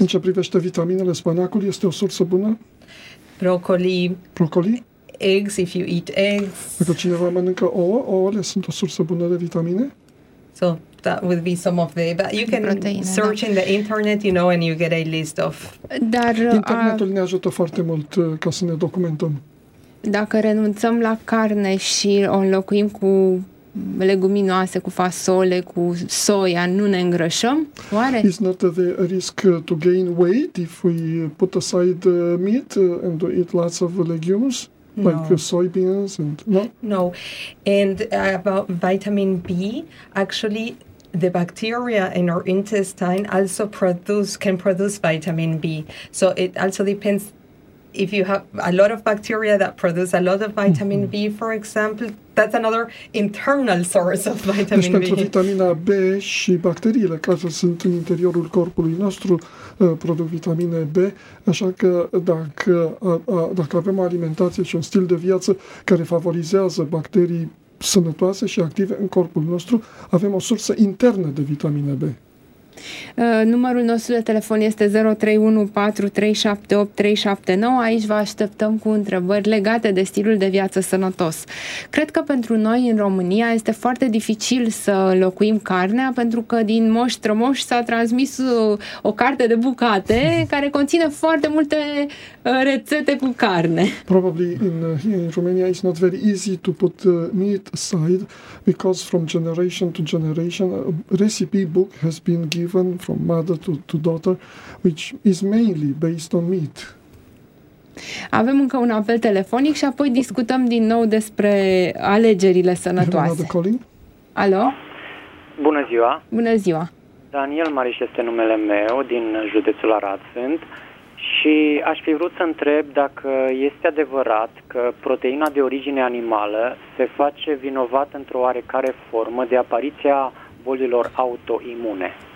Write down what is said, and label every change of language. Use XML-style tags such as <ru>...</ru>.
<ro>În ce privește vitaminele, spanacul este o sursă bună.</ro> <en>Broccoli. Eggs, if you eat eggs.</en> <ro>Dacă cineva mănâncă ouă, ouăle sunt o sursă bună de vitamine.</ro> <en>So that would be some of the, but you can proteine, search in the internet, you know, and you get a list of.</en> <ro>Dar internetul ne ajută foarte mult ca să ne documentăm. Dacă renunțăm la carne și o înlocuim cu leguminoase, cu fasole, cu soia, nu ne îngrășăm? Oare?</ro> <en>Is not the risk to gain weight if we put aside meat and eat lots of legumes, no, like soybeans? And no? No. And about vitamin B, actually, the bacteria in our intestine also can produce vitamin B. So it also depends. If you have a lot of bacteria that produce a lot of vitamin B, for example, that's another internal source of vitamin B.</en> <ro>Deci pentru vitamina B și bacteriile care sunt în interiorul corpului nostru produc vitamine B, așa că dacă avem o alimentație și un stil de viață care favorizează bacterii sănătoase și active în corpul nostru, avem o sursă internă de vitamine B. Numărul nostru de telefon este 031-4378-379. Aici vă așteptăm cu întrebări legate de stilul de viață sănătos. Cred că pentru noi în România este foarte dificil să înlocuim carnea, pentru că din moș strămoș s-a transmis o carte de bucate care conține foarte multe rețete cu carne.</ro> <en>Probably in Romania it's not very easy to put meat aside, because from generation to generation a recipe book has been given from mother to daughter, which is mainly based on meat.</en> <ro>Avem încă un apel telefonic și apoi discutăm din nou despre alegerile sănătoase. Alo? Bună ziua! Bună ziua! Daniel Mariș este numele meu, din județul Arad sunt, și aș fi vrut să întreb dacă este adevărat că proteina de origine animală se face vinovată într-o oarecare formă de apariția bolilor autoimune.</ro>